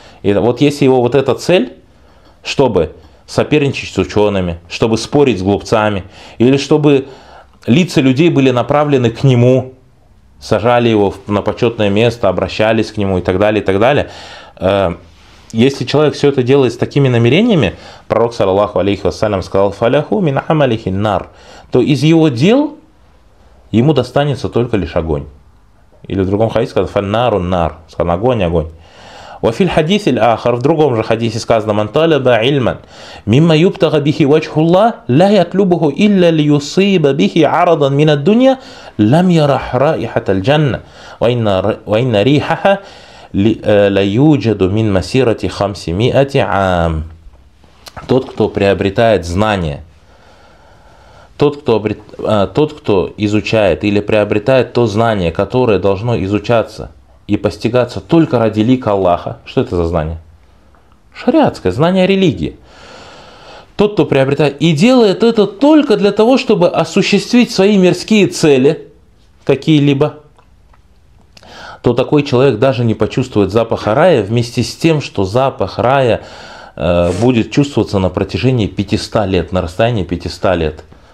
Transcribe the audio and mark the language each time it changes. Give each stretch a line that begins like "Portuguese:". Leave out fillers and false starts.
Russian: И вот если его вот эта цель, чтобы соперничать с учеными, чтобы спорить с глупцами, или чтобы лица людей были направлены к нему, сажали его на почетное место, обращались к нему и так далее, и так далее. Если человек все это делает с такими намерениями, пророк, саллаллаху алейхи вассалям, сказал,
Arabic: «Фаляху мин амалихи нар»,
Russian: то из его дел ему достанется только лишь огонь. Или в другом хадисе сказано,
Arabic: «Фаннару нар»,
Russian: сказал, «Огонь, огонь».
Arabic: وفي الحديث الآخر,
Russian: в другом же хадисе сказано,
Arabic: من طلب علما مما يبتغى به وجه الله لا يطلبه إلا ليصيب به عرضا من الدنيا لم يرح رائحة الجنة وإن ريحها لا يوجد من مسيرة 500 عام.
Russian: Тот, кто приобретает знания, тот, кто изучает или приобретает то знание, которое должно изучаться и постигаться только ради лика Аллаха. Что это за знание? Шариатское знание религии. Тот, кто приобретает и делает это только для того, чтобы осуществить свои мирские цели какие-либо, то такой человек даже не почувствует запаха рая, вместе с тем, что запах рая будет чувствоваться на протяжении 500 лет, на расстоянии 500 лет.